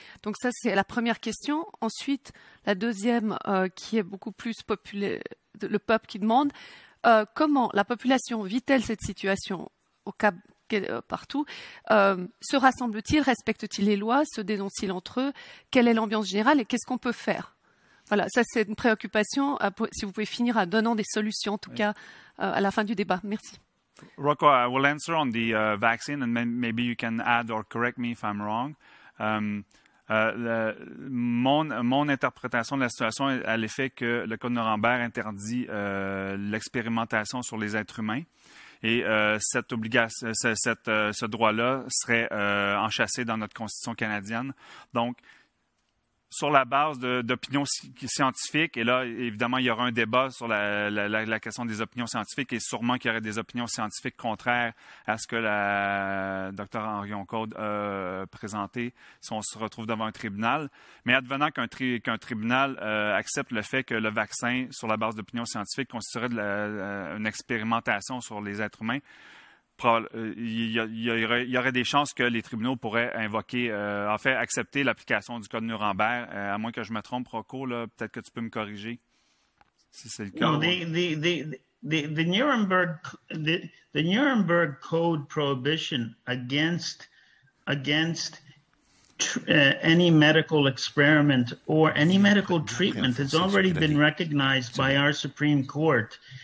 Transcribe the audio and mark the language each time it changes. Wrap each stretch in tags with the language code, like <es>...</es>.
<fr>Donc ça, c'est la première question. Ensuite, la deuxième, qui est beaucoup plus populaire, le peuple qui demande, comment la population vit-elle cette situation au cap, partout? Se rassemble-t-il? Respecte-t-il les lois? Se dénonce-t-il entre eux? Quelle est l'ambiance générale et qu'est-ce qu'on peut faire? Voilà, ça, c'est une préoccupation. Si vous pouvez finir en donnant des solutions, en tout cas, à la fin du débat. Merci.</fr> <en>Rocco, I will answer on the vaccine, and maybe you can add or correct me if I'm wrong.</en> <fr>Mon interprétation de la situation est à l'effet que le Code Nuremberg interdit l'expérimentation sur les êtres humains, et ce droit-là serait enchâssé dans notre Constitution canadienne. Donc, sur la base d'opinions scientifiques, et là, évidemment, il y aura un débat sur la question des opinions scientifiques, et sûrement qu'il y aurait des opinions scientifiques contraires à ce que la Dr. Henrion Code a présenté si on se retrouve devant un tribunal. Mais advenant qu'un tribunal accepte le fait que le vaccin, sur la base d'opinions scientifiques, constituerait une expérimentation sur les êtres humains, il y aurait des chances que les tribunaux pourraient invoquer, en fait, accepter l'application du Code Nuremberg, à moins que je me trompe, Rocco, là, peut-être que tu peux me corriger, si c'est le cas.</fr> <en>Non, the Nuremberg Code prohibition against any medical experiment or any medical treatment has already been recognized by our Supreme Court.</en>